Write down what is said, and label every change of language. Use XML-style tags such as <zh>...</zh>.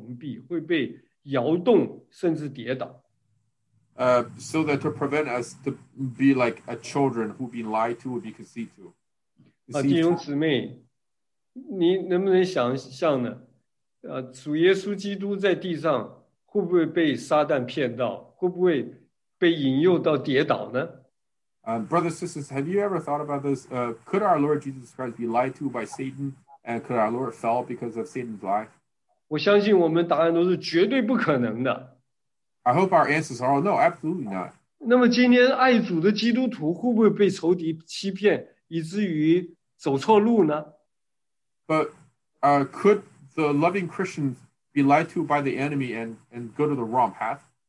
<zh>免得我们呢,像小孩子一样会被欺骗,会被蒙蔽,会被摇动,甚至跌倒。</zh> <en>So that to prevent us to be like a children who be lied to, would be conceived to.</en> <zh>弟兄姊妹, 你能不能想象呢?主耶稣基督在地上会不会被撒旦骗到?会不会被引诱到跌倒呢?</zh> <en>Brothers and sisters, have you ever thought about this? Could our Lord Jesus Christ be lied to by Satan? And could our Lord fall because of Satan's lie?</en> <zh>我相信我们答案都是绝对不可能的。I</zh> <en>hope our answers are all no, absolutely not.</en> <zh>那么今天爱主的基督徒会不会被仇敌欺骗,以至于走错路呢?</zh> <en>But could the loving Christians be lied to by the enemy and go to the wrong path?</en>